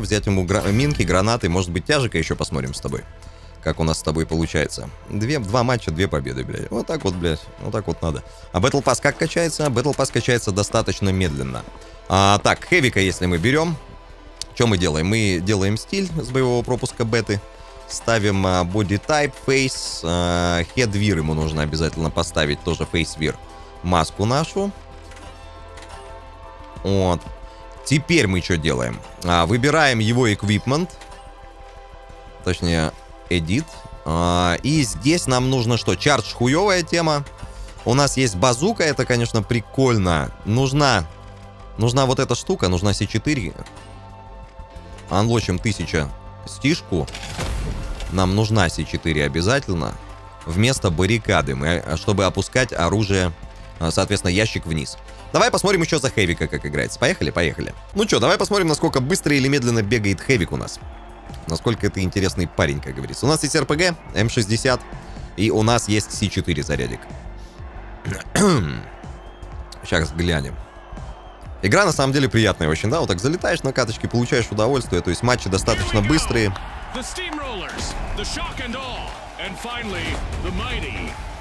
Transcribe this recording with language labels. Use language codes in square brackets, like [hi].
[ru] Взять ему минки, гранаты, может быть, Тяжика еще посмотрим с тобой. Как у нас с тобой получается. Два матча, две победы, блядь. Вот так вот, блядь, вот так вот надо. А Battle Pass как качается? Battle Pass качается достаточно медленно. А, так, Хевика, если мы берем, что мы делаем? Мы делаем стиль с боевого пропуска беты. Ставим Body Type, Face, Head Wear ему нужно обязательно поставить, тоже Face Wear. Маску нашу. Вот. Теперь мы что делаем? Выбираем его эквипмент. Точнее, edit. И здесь нам нужно что? Чардж хуевая тема. У нас есть базука, это, конечно, прикольно. Нужна вот эта штука, нужна C4. Анлочим 1000 стишку. Нам нужна C4 обязательно. Вместо баррикады, чтобы опускать оружие, соответственно, ящик вниз. Давай посмотрим еще за Хевика, как играется. Поехали. Ну что, давай посмотрим, насколько быстро или медленно бегает Хевик у нас. Насколько это интересный парень, как говорится. У нас есть РПГ, М60. И у нас есть C4 зарядик. Сейчас глянем. Игра на самом деле приятная очень, да? Вот так залетаешь на каточке, получаешь удовольствие. То есть матчи достаточно быстрые. [en] The Steamrollers, the shock and awe, and finally, the mighty.